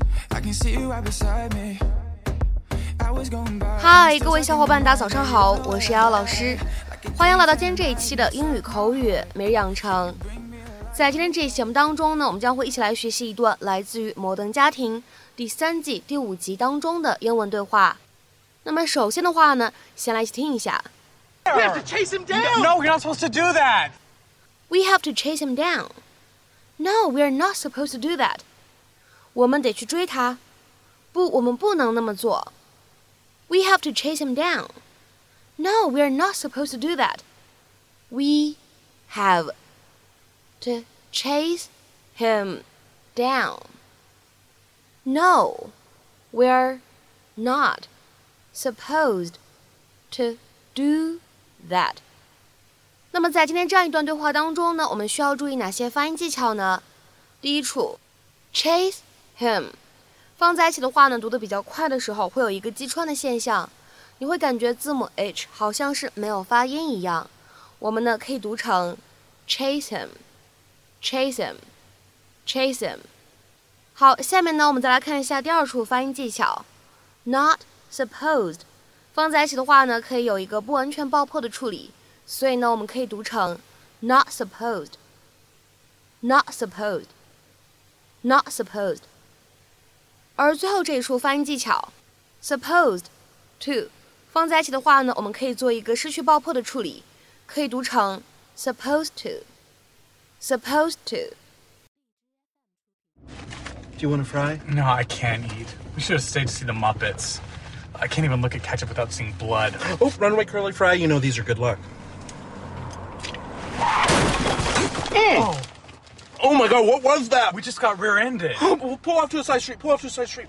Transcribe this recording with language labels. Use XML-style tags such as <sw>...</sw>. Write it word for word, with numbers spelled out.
<en>I can see you right beside me.</en> <zh>嗨，各位小伙伴，大家早上好，我是瑶瑶老师，欢迎来到今天这一期的英语口语每日养成。在今天这一期节目当中呢，我们将会一起来学习一段来自于《摩登家庭》第三季第五集当中的英文对话。那么首先的话呢，先来一起听一下。</zh> <en>We have to chase him down. No, we're not supposed to do that. We have to chase him down. No, we're not supposed to do that.</en> <zh>我们得去追他。不，我们不能那么做。</zh> <en>We have to chase him down. No, we are not supposed to do that. We have to chase him down. No, we're not supposed to do that.</en> <zh>那么在今天这样一段对话当中呢，我们需要注意哪些发音技巧呢？第一处 chase him。放在一起的话呢，读得比较快的时候会有一个击穿的现象，你会感觉字母 H 好像是没有发音一样。我们呢可以读成</zh> <en>chase him, chase him, chase him。</en> <zh>好，下面呢我们再来看一下第二处发音技巧 not supposed。放在一起的话呢可以有一个不完全爆破的处理，所以呢我们可以读成</zh> <en>not supposed, not supposed, not supposed。</en> <zh>而最后这一处发音技巧 supposed to 放在一起的话呢，我们可以做一个失去爆破的处理，可以读成</zh> <en>supposed to, supposed to。 Do you want a fry? No, I can't eat. We should have stayed to see the Muppets. I can't even look at ketchup without seeing blood. Oh, runaway curly fry, you know these are good luck. Oh, oh my God, what was that? We just got rear-ended. Oh, pull off to a side street, pull off to a side street.</en>